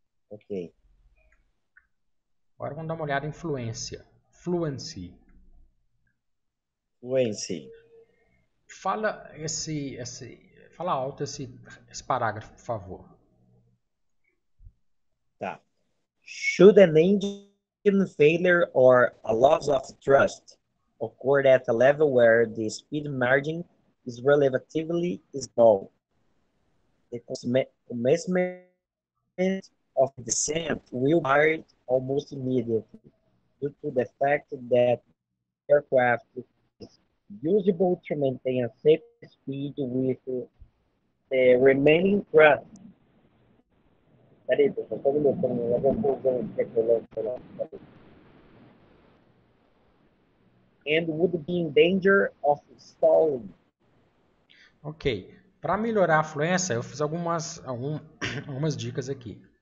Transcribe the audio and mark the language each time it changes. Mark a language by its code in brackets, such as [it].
[pt] Ok. Agora vamos dar uma olhada em fluência. Fluency. [en] Fluency. [pt] Fala esse fala alto esse parágrafo, por favor. Tá. [en] Should an engine failure or a loss of trust occur at a level where the speed margin is relatively small, the commencement of the descent will be almost immediately due to the fact that aircraft is usable to maintain a safe speed with the remaining thrust. That is, I'm talking about the level of technological and would be in danger of stalling. [pt] Ok, para melhorar a fluência, eu fiz algumas dicas aqui.